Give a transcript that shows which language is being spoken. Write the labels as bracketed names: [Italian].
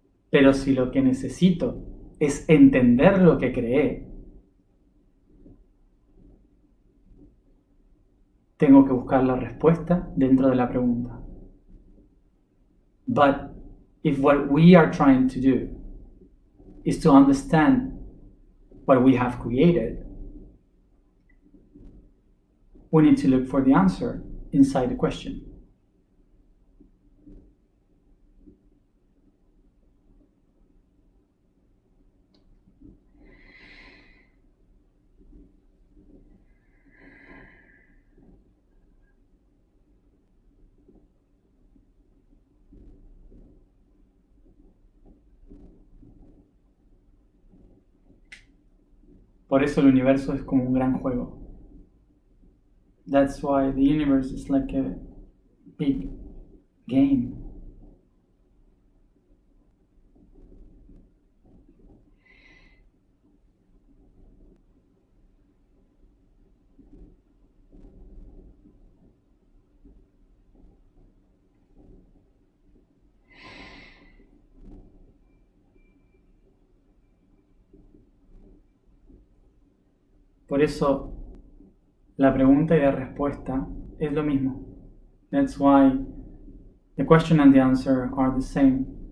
[Spanish] Pero si lo que necesito es entender lo que creé, tengo que buscar la respuesta dentro de la pregunta. [English] But if what we are trying to do is to understand what we have created, we need to look for the answer inside the question. [Spanish] Por eso el universo es como un gran juego. [English] That's why the universe is like a big game. [Spanish] Por eso la pregunta y la respuesta es lo mismo. [English] That's why the question and the answer are the same.